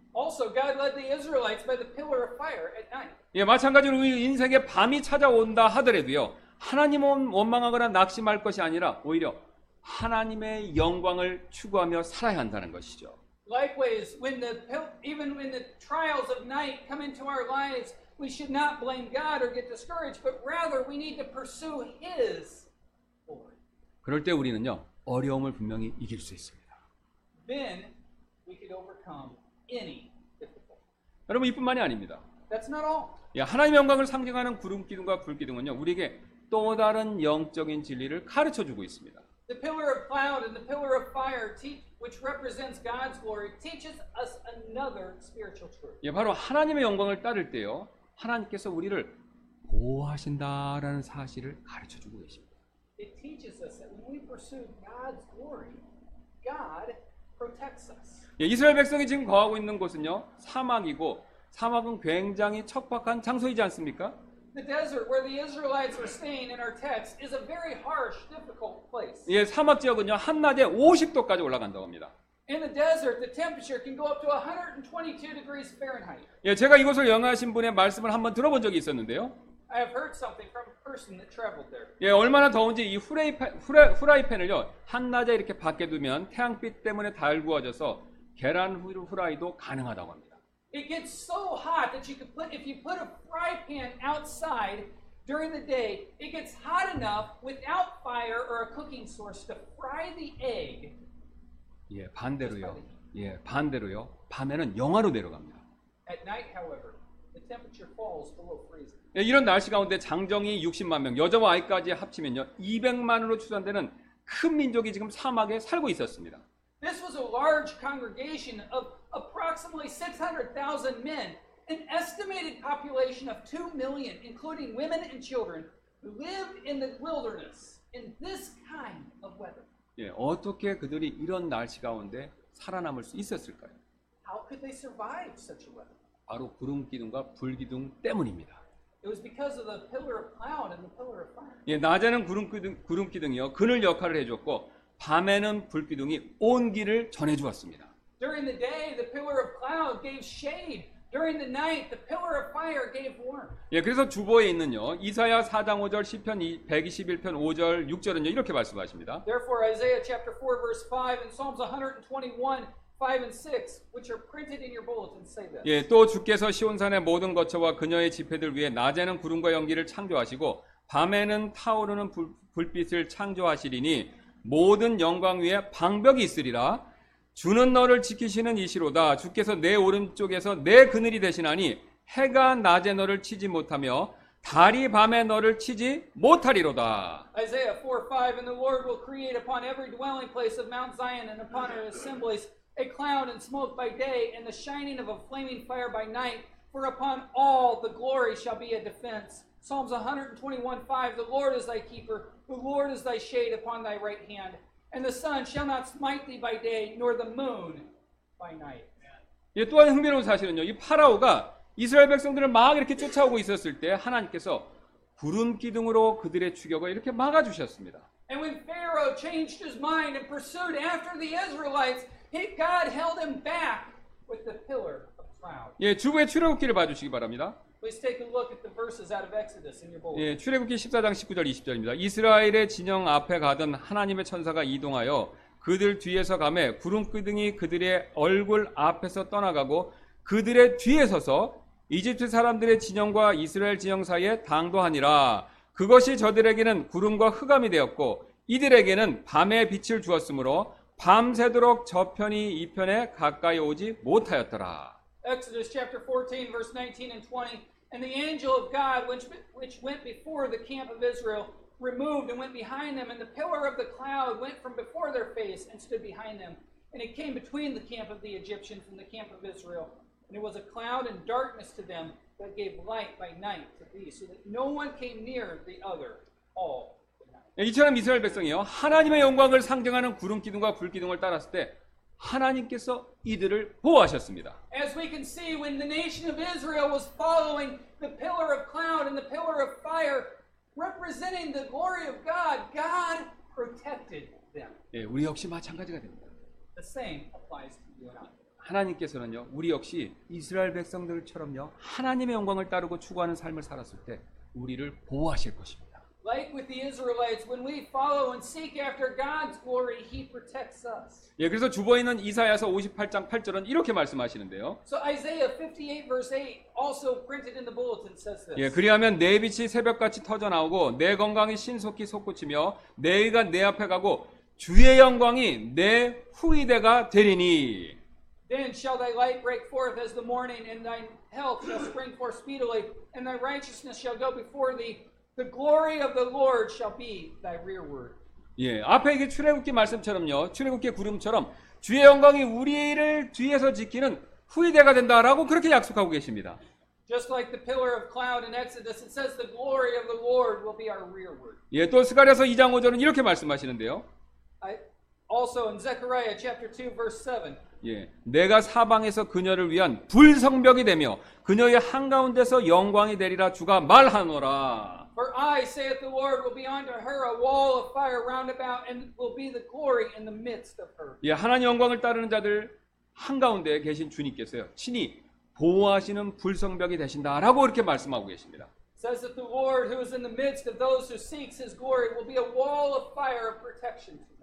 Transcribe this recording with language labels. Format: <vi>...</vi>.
<en>Also, God led the Israelites by the pillar of fire at night.</en> <ko>예, 마찬가지로 우리 인생에 밤이 찾아온다 하더라도요, 하나님은 원망하거나 낙심할 것이 아니라 오히려 하나님의 영광을 추구하며 살아야 한다는 것이죠.</ko> <en>Likewise, when the even when the trials of night come into our lives, we should not blame God or get discouraged, but rather we need to pursue His glory.</en> <ko>그럴 때 우리는요, 어려움을 분명히 이길 수 있습니다.</ko> <en>Then we could overcome any difficulty.</en> <ko>여러분 이뿐만이 아닙니다.</ko> <en>That's not all.</en> <ko>예, 하나님의 영광을 상징하는 구름 기둥과 불 기둥은요, 우리에게 또 다른 영적인 진리를 가르쳐 주고 있습니다.</ko> <en>The pillar of cloud and the pillar of fire, which represents God's glory, teaches us another spiritual truth.</en> <ko>예, 바로 하나님의 영광을 따를 때요, 하나님께서 우리를 보호하신다라는 사실을 가르쳐 주고 계십니다.</ko> <en>It teaches us that when we pursue God's glory, God protects us.</en> <ko>예, 이스라엘 백성이 지금 거하고 있는 곳은요, 사막이고 사막은 굉장히 척박한 장소이지 않습니까?</ko> <en>The desert where the Israelites are staying in our text is a very harsh, difficult place.</en> <ko>예, 사막 지역은요, 한낮에 50도까지 올라간다고 합니다.</ko> <en>In the desert, the temperature can go up to 122 degrees Fahrenheit.</en> <ko>예, 제가 이곳을 여행하신 분의 말씀을 한번 들어본 적이 있었는데요.</ko> <en>I have heard something from a person that traveled there.</en> <ko>예, 얼마나 더운지 이 후라이팬을요, 한낮에 이렇게 밖에 두면 태양빛 때문에 달구어져서 계란 후라이도 가능하다고 합니다.</ko> <en>It gets so hot that you could put if you put a fry pan outside during the day, it gets hot enough without fire or a cooking source to fry the egg.</en> <ko>예, 반대로요. 예, 반대로요. 밤에는 영하로 내려갑니다.</ko> <en>At night, however, the temperature falls below freezing.</en> <ko>예, 이런 날씨 가운데 장정이 60만 명, 여자와 아이까지 합치면요, 200만으로 추산되는 큰 민족이 지금 사막에 살고 있었습니다.</ko> <en>This was a large congregation of approximately 600,000 men, an estimated population of 2 million, including women and children, who live in the wilderness in this kind of weather.</en> <ko>예, 어떻게 그들이 이런 날씨 가운데 살아남을 수 있었을까요?</ko> <en>How could they survive such a weather?</en> <ko>바로 구름 기둥과 불 기둥 때문입니다.</ko> <en>It was because of the pillar of cloud and the pillar of fire.</en> <ko>예, 낮에는 구름 기둥이요, 그늘 역할을 해줬고, 밤에는 불기둥이 온기를 전해주었습니다.</ko> <en>During the day, the pillar of cloud gave shade. During the night, the pillar of fire gave warmth.</en> <ko>예, 그래서 주보에 있는요, 이사야 4장 5절, 시편 121편 5절, 6절은요, 이렇게 말씀하십니다.</ko> <en>Therefore, Isaiah chapter 4, verse 5, and Psalms 121, 5 and 6, which are printed in your bulletin, say this.</en> <ko>예, 또 주께서 시온산의 모든 거처와 그녀의 집회들 위해 낮에는 구름과 연기를 창조하시고 밤에는 타오르는 불빛을 창조하시리니 모든 영광 위에 방벽이 있으리라. 주는 너를 지키시는 이시로다. 주께서 내 오른쪽에서 내 그늘이 되시나니 해가 낮에 너를 치지 못하며 달이 밤에 너를 치지 못하리로다.</ko> <en>Isaiah 4, 5 And the Lord will create upon every dwelling place of Mount Zion and upon her assemblies a cloud and smoke by day and the shining of a flaming fire by night. For upon all the glory shall be a defense. Psalms 121:5 The Lord is thy keeper, the Lord is thy shade upon thy right hand, and the sun shall not smite thee by day, nor the moon by night.</en> <ko>예, 또한 흥미로운 사실은요, 이 파라오가 이스라엘 백성들을 막 이렇게 쫓아오고 있었을 때 하나님께서 구름 기둥으로 그들의 추격을 이렇게 막아주셨습니다.</ko> <en>And when Pharaoh changed his mind and pursued after the Israelites, God held him back with the pillar of cloud.</en> <ko>예, 주부의 출애굽기를 봐주시기 바랍니다.</ko> <en>Please take a look at the verses out of Exodus in your bulletin.</en> <ko>예, 출애굽기 14장 19절 20절입니다. 이스라엘의 진영 앞에 가던 하나님의 천사가 이동하여 그들 뒤에서 가매 구름 기둥이 그들의 얼굴 앞에서 떠나가고 그들의 뒤에 서서 이집트 사람들의 진영과 이스라엘 진영 사이에 당도하니라. 그것이 저들에게는 구름과 흑암이 되었고 이들에게는 밤에 빛을 주었으므로 밤새도록 저편이 이편에 가까이 오지 못하였더라.</ko> <en>Exodus chapter 14, verse 19 and 20. And the angel of God, which went before the camp of Israel, removed and went behind them, and the pillar of the cloud went from before their face and stood behind them. And it came between the camp of the Egyptians and the camp of Israel. And it was a cloud and darkness to them that gave light by night to these, so that no one came near the other all night.</en> <ko>이처럼 이스라엘 백성이요, 하나님의 영광을 상징하는 구름 기둥과 불 기둥을 따랐을 때 하나님께서 이들을 보호하셨습니다.</ko> <en>As we can see, when the nation of Israel was following the pillar of cloud and the pillar of fire, representing the glory of God, God protected them.</en> <ko>예, 우리 역시 마찬가지가 됩니다.</ko> <en>The same applies to you and I.</en> <ko>하나님께서는요, 우리 역시 이스라엘 백성들처럼요, 하나님의 영광을 따르고 추구하는 삶을 살았을 때 우리를 보호하실 것입니다.</ko> <en>Like with the Israelites, when we follow and seek after God's glory, He protects us.</en> <ko>예, 그래서 주보에 있는 이사야서 58장 8절은 이렇게 말씀하시는데요.</ko> <en>So Isaiah 58 verse 8 also printed in the bulletin says this.</en> <ko>예, 그리하면 내 빛이 새벽같이 터져 나오고 내 건강이 신속히 솟구치며 내 의가 내 앞에 가고 주의 영광이 내 후위대가 되리니.</ko> <en>Then shall thy light break forth as the morning, and thy health shall spring forth speedily, and thy righteousness shall go before thee. The glory of the Lord shall be thy rearward.</en> <ko>예, 앞에 이게 출애굽기 말씀처럼요, 출애굽기 구름처럼 주의 영광이 우리를 뒤에서 지키는 후위대가 된다라고 그렇게 약속하고 계십니다.</ko> <en>Just like the pillar of cloud in Exodus, it says the glory of the Lord will be our rearward.</en> <ko>예, 또 스가랴서 2장 5절은 이렇게 말씀하시는데요.</ko> <en>Also in Zechariah chapter 2 verse 7.</en> <ko>예, 내가 사방에서 그녀를 위한 불성벽이 되며 그녀의 한가운데서 영광이 되리라 주가 말하노라.</ko> <en>For I, saith the Lord, will be unto her a wall of fire round about, and will be the glory in the midst of her.</en> <ko>예, 하나님 영광을 따르는 자들 한가운데 계신 주님께서요, 친히 보호하시는 불성벽이 되신다라고 이렇게 말씀하고 계십니다.</ko> <en>Says that the Lord, who is in the midst of those who seek His glory, will be a wall of fire of protection.</en>